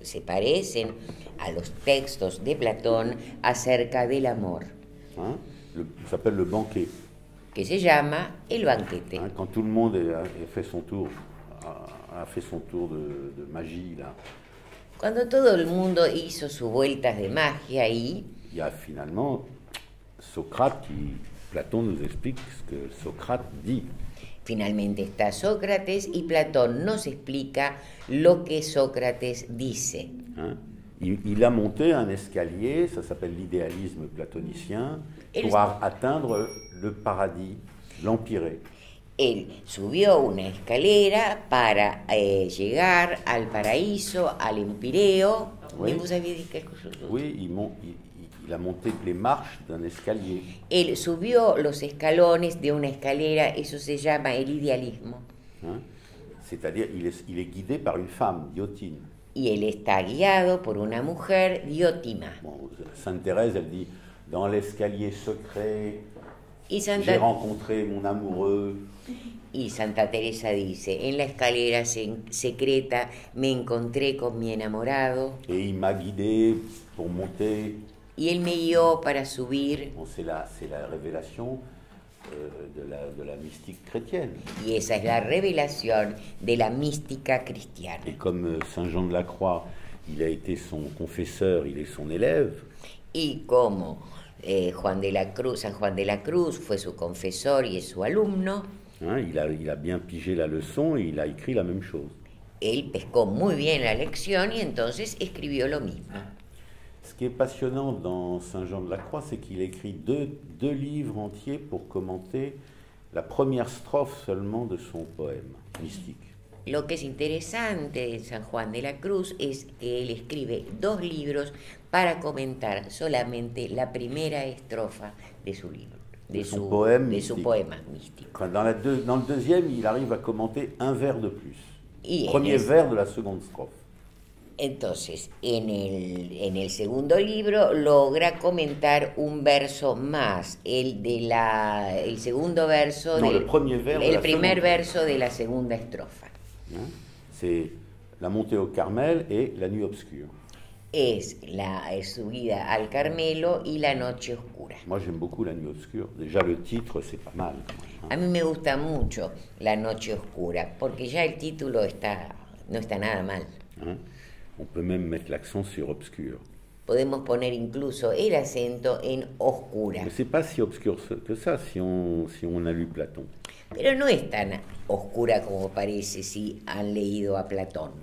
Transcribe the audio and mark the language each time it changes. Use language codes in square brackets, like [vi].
[es] Se parecen a los textos de Platón acerca del amor. [fr] S'appelle le banquet. [es] Que se llama el banquete. [fr] Quand tout le monde a fait son tour de magie là. [es] Cuando todo el mundo hizo sus vueltas de magia y. [fr] Y a finalement Socrate qui Platón nous explique ce que Socrate dit. [es] Finalmente está Sócrates y Platón nos explica lo que Sócrates dice. [fr] Il a monté un escalier, ça s'appelle l'idéalisme platonicien, pour atteindre le paradis, l'empiré. [es] Él subió una escalera para llegar al paraíso, al empireo. [fr] Oui. Vous avez dit quelque chose d'autre? Oui, il a monté les marches d'un escalier. [es] Él subió los escalones de una escalera, eso se llama el idealismo. [fr] C'est-à-dire, il est guidé par une femme, Diotime. [es] Y él está guiado por una mujer, Diotima. [fr] Bon, Sainte Thérèse, elle dit, dans l'escalier secret, j'ai rencontré mon amoureux. [es] Y Santa Teresa dice, en la escalera secreta me encontré con mi enamorado. [fr] Et il m'a guidé pour monter. [es] Y él me guió para subir. [fr] Bon, c'est la révélation de la mystique chrétienne. [es] Y esa es la revelación de la mística cristiana. [fr] Et comme Saint Jean de la Croix, il a été son confesseur, il est son élève. [es] Y como Juan de la Cruz, San Juan de la Cruz fue su confesor y es su alumno. [fr] Il a bien pigé la leçon et il a écrit la même chose. [es] Él pescó muy bien la lección y entonces escribió lo mismo. [fr] Ce qui est passionnant dans Saint Jean de la Croix, c'est qu'il écrit deux livres entiers pour commenter la première strophe seulement de son poème mystique. [es] Lo que es interesante de San Juan de la Cruz es que él escribe dos libros para comentar solamente la primera estrofa de su libro. [fr] De son poème mystique. Dans le deuxième, il arrive à commenter un vers de plus. Vers de la seconde strophe. [es] Entonces, en el segundo libro logra comentar un verso más, el primer verso de la segunda estrofa. [fr] C'est la montée au Carmel et la nuit obscure. [es] Es la subida al Carmelo y la noche oscura. [fr] Moi j'aime beaucoup la nuit obscure. Déjà le titre c'est pas mal. [es] A mí me gusta mucho la noche oscura porque ya el título no está nada mal. [fr] On peut même mettre l'accent sur obscur. [es] Podemos poner incluso el acento en oscura. [fr] Mais c'est pas si obscur que ça si on a lu Platon. [es] Pero no es tan oscura como parece si han leído a Platón.